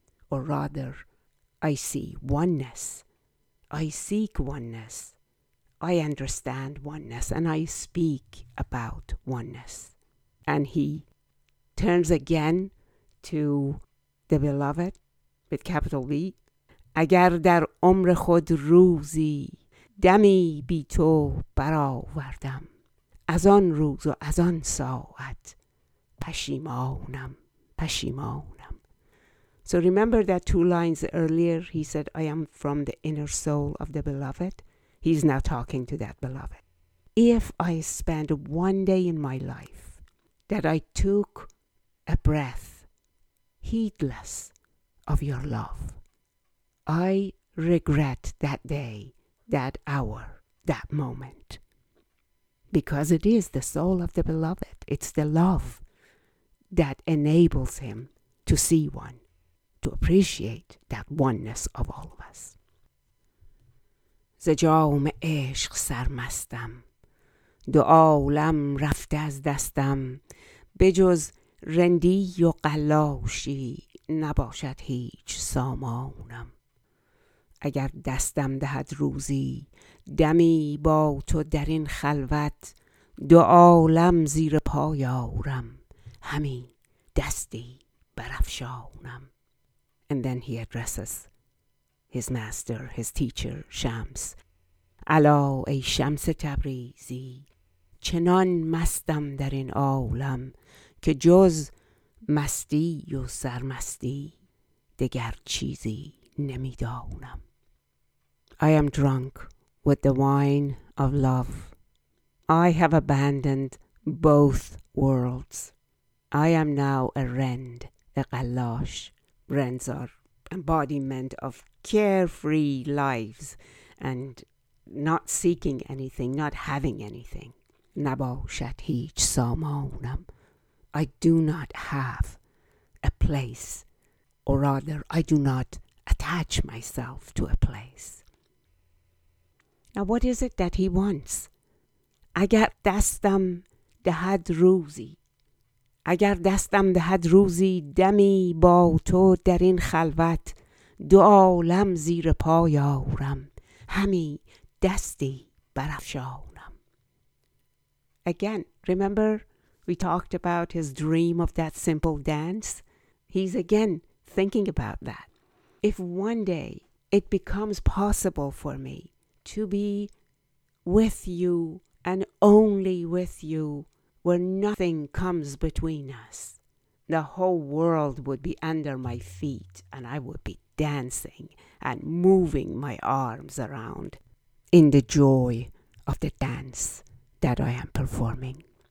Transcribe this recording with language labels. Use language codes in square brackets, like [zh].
[en] Or rather, I see oneness, I seek oneness, I understand oneness, and I speak about oneness. And he turns again to the beloved, with capital V. [fa] اگر در عمر خود روزی دمی بی تو برآوردم، از آن روز و از آن ساعت پشیمانم، پشیمانم. [en] So remember that two lines earlier, he said, I am from the inner soul of the beloved. He's now talking to that beloved. If I spend one day in my life that I took a breath heedless of your love, I regret that day, that hour, that moment. Because it is the soul of the beloved. It's the love that enables him to see one, to appreciate that oneness of all of us. [fa] ز جام عشق سرمستم، دو عالم رفته از دستم، بجز رندی و قلاشی نباشد هیچ سامانم. اگر دستم دهد روزی دمی با تو در این خلوت، دو عالم زیر پای آورم همی دستی برافشانم. [en] And then he addresses his master, his teacher, Shams. [fa] الا ای شمس تبریزی، چنان مستم در این عالم که جز مستی و سرمستی دگر چیزی نمیدانم. [en] I am drunk with the wine of love. I have abandoned both worlds. I am now a rend, a galosh. Rends are embodiment of carefree lives and not seeking anything, not having anything. [fa] نباشد هیچ سامانم. [en] I do not have a place, or rather, I do not attach myself to a place. Now, what is it that he wants? [fa] اگر دستم دهد روزی، اگر دستم دهد روزی دمی با تو در این خلوت، دو عالم زیر پای آورم همی دستی برافشانم. [en] Again, remember we talked about his dream of that simple dance? He's again thinking about that. If one day it becomes possible for me to be with you and only with you, where nothing comes between us, the whole world would be under my feet and I would be dancing and moving my arms around in the joy of the dance that I am performing.